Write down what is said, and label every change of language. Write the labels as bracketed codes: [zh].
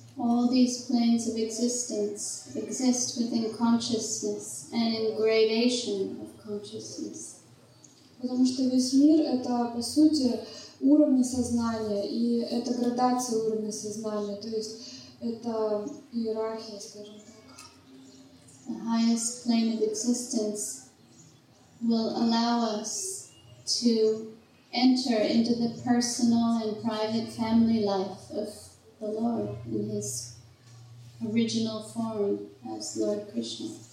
[en] All these planes of existence exist within consciousness and in gradation of consciousness. [ru] Потому что весь мир — это, по сути, уровни сознания, и это градация уровня сознания, то есть это иерархия, скажем так. [en] The highest plane of existence will allow us to enter into the personal and private family life of the Lord in His original form as Lord Krishna.